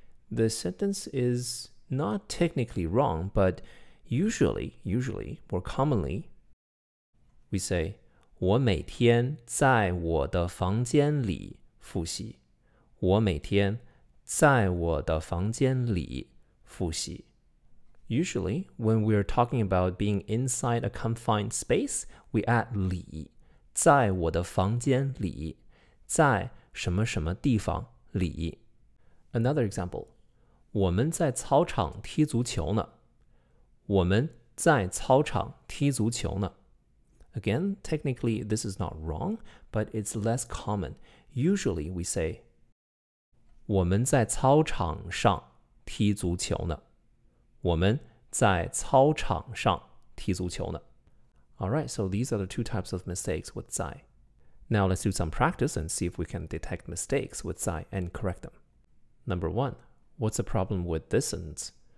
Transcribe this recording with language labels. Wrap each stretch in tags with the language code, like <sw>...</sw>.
<en>The sentence is not technically wrong, but usually, more commonly, we say</en> <zh>我每天在我的房间里复习. 我每天在我的房间里复习.</zh> <en>Usually, when we're talking about being inside a confined space, we add 里.</en> <zh>在我的房间里.在什么什么地方里.</zh> <en>Another example.</en> <zh>我们在操场踢足球呢.我们在操场踢足球呢.</zh> <en>Again, technically, this is not wrong, but it's less common. Usually, we say</en> <zh>我们在操场上踢足球呢. 我们在操场上踢足球呢.</zh> <en>Alright, so these are the two types of mistakes with 在. Now, let's do some practice and see if we can detect mistakes with 在 and correct them. Number one. What's the problem with this sentence?</en>